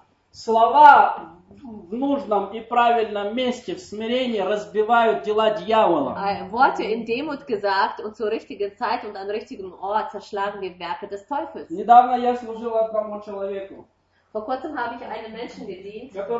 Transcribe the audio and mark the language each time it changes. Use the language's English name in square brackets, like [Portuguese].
[Russian] слова в нужном и правильном месте в смирении разбивают дела дьявола. [German] Worte in Demut gesagt und zur richtigen Zeit und an richtigem Ort zerschlagen die Werke des Teufels. [Russian] Недавно я служил одному человеку. [German] Vor kurzem habe ich einem Menschen gedient,